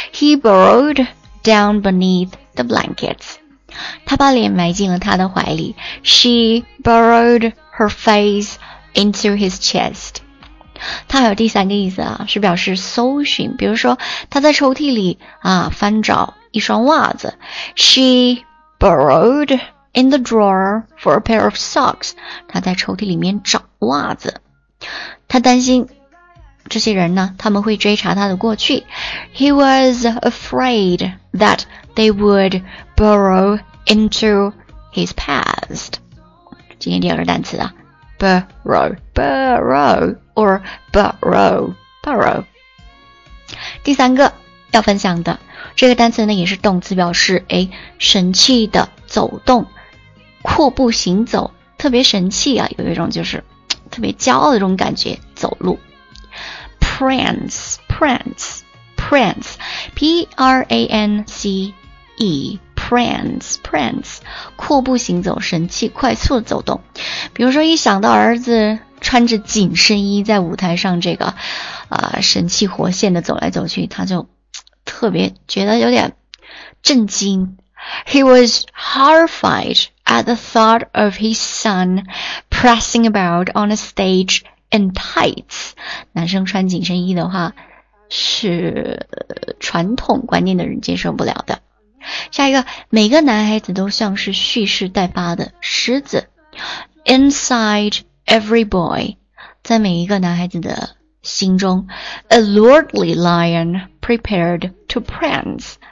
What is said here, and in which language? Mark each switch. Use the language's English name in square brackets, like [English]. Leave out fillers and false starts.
[English] He burrowed down beneath the blankets. [Chinese] 他把脸埋进了他的怀里。 [English] She burrowed her face into his chest. [Chinese] 它还有第三个意思啊，是表示搜寻，比如说他在抽屉里啊翻找一双袜子。 [English] She burrowedIn the drawer for a pair of socks. [Chinese] 他在抽屉里面找袜子。他担心这些人呢，他们会追查他的过去。 [English] He was afraid that they would burrow into his past. [Chinese] 今天第二个单词啊， burrow, burrow, or burrow, burrow. 第三个要分享的这个单词呢，也是动词，表示神气的走动。阔步行走，特别神气啊，有一种就是特别骄傲的这种感觉，走路。 Prance, P-R-A-N-C-E, Prance, 阔步行走，神气，快速的走动。比如说一想到儿子穿着紧身衣在舞台上这个神气活现的走来走去，他就特别觉得有点震惊。 [English] He was horrified at the thought of his son pressing about on a stage in tights. [Chinese] 男生穿紧身衣的话是传统观念的人接受不了的。下一个，每个男孩子都像是蓄势待发的狮子。 [English] Inside every boy, [Chinese] 在每一个男孩子的心中， [English] a lordly lion prepared to prance.